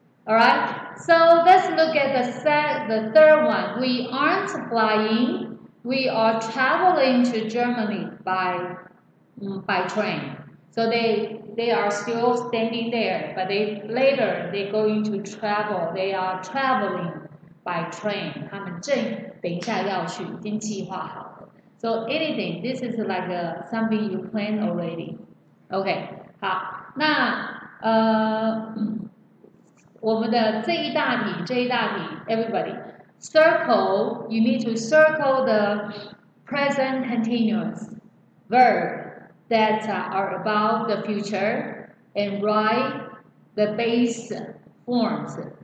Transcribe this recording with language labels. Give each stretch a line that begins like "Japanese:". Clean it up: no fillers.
English: Alright, so let's look at the third one. We aren't flying, we are traveling to Germany by train. So they are still standing there, but later they're going to travel. They are traveling by train.
Chinese: 他们正等一下要去，已经计划好了。
English: So anything, this is like something you plan already. Okay, 好，
Chinese: 那我们的这一大题
English: everybody, circle, you need to circle the present continuous verb that are about the future and write the base forms.